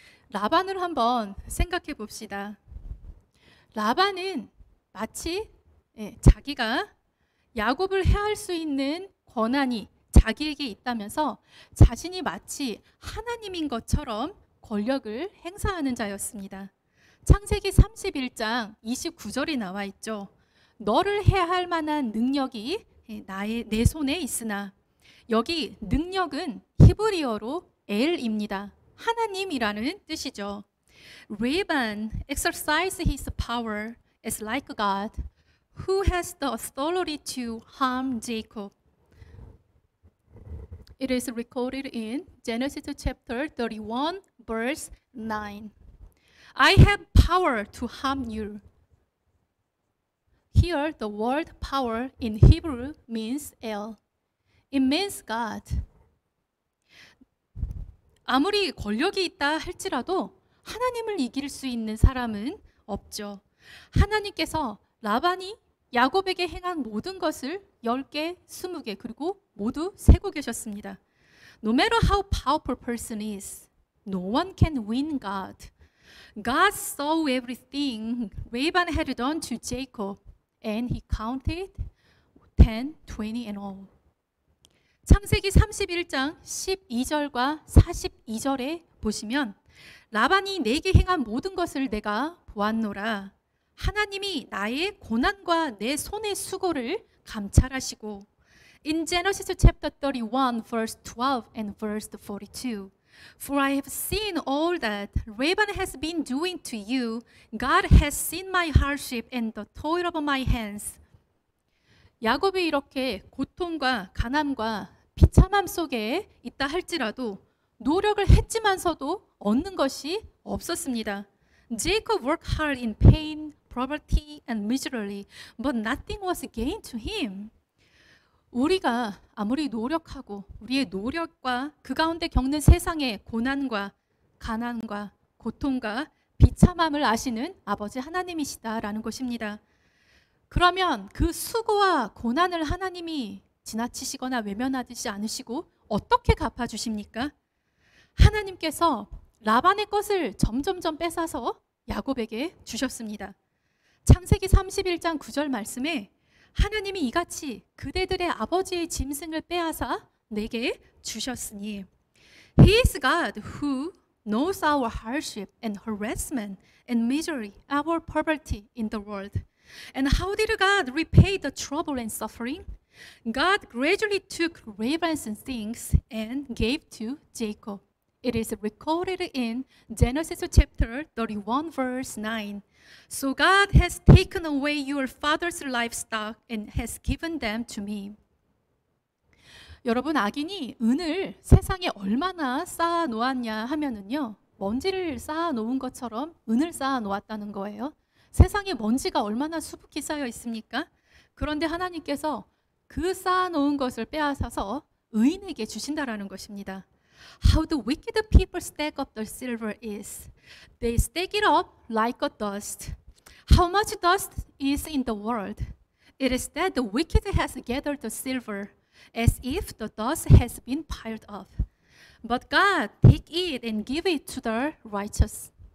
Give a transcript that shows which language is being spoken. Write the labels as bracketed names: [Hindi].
[Korean] 라반을 한번 생각해 봅시다. 라반은 마치 자기가 야곱을 해할 수 있는 권한이 자기에게 있다면서 자신이 마치 하나님인 것처럼 권력을 행사하는 자였습니다. 창세기 31장 29절이 나와 있죠. 너를 해할 만한 능력이 내 손에 있으나, 여기 능력은 히브리어로 엘입니다. 하나님이라는 뜻이죠. [English] Laban exercises his power as like God, who has the authority to harm Jacob. It is recorded in Genesis chapter 31, verse 9. I have power to harm you. Here, the word power in Hebrew means El. It means God. [Korean] 아무리 권력이 있다 할지라도 하나님을 이길 수 있는 사람은 없죠. 하나님께서 라반이 야곱에게 행한 모든 것을 10개, 20개, 그리고 모두 세고 계셨습니다. [English] No matter how powerful person is, no one can win God. God saw everything Laban had done to Jacob, and he counted 10, 20 and all. [Korean] 창세기 31장 12절과 42절에 보시면 라반이 내게 행한 모든 것을 내가 보았노라. 하나님이 나의 고난과 내 손의 수고를 감찰하시고. [English] In Genesis chapter 31 verse 12 and verse 42. For I have seen all that Laban has been doing to you. God has seen my hardship and the toil of my hands. [Korean] 야곱이 이렇게 고통과 가난과 비참함 속에 있다 할지라도 노력을 했지만서도 얻는 것이 없었습니다. [English] Jacob worked hard in pain, poverty, and miserably, but nothing was gained to him. [Korean] 우리가 아무리 노력하고 우리의 노력과 그 가운데 겪는 세상의 고난과 가난과 고통과 비참함을 아시는 아버지 하나님이시다라는 것입니다. 그러면 그 수고와 고난을 하나님이 지나치시거나 외면하지 않으시고 어떻게 갚아주십니까? 하나님께서 라반의 것을 점점점 뺏어서 야곱에게 주셨습니다. 창세기 31장 9절 말씀에 하나님이 이같이 그대들의 아버지의 짐승을 빼앗아 내게 주셨으니 [English] He is God who knows our hardship and harassment and misery, our poverty in the world. And how did God repay the trouble and suffering? God gradually took Laban's things and gave to Jacob. It is recorded in Genesis chapter 31 verse 9. So God has taken away your father's livestock and has given them to me. [Korean] 여러분 악인이 은을 세상에 얼마나 쌓아 놓았냐 하면은요. 먼지를 쌓아 놓은 것처럼 은을 쌓아 놓았다는 거예요. 세상에 먼지가 얼마나 수북히 쌓여 있습니까? 그런데 하나님께서 그 쌓아 놓은 것을 빼앗아서 의인에게 주신다라는 것입니다. [English] How the wicked people stack up the silver is. They stack it up like a dust. How much dust is in the world? It is that the wicked has gathered the silver as if the dust has been piled up. But God take it and give it to the righteous.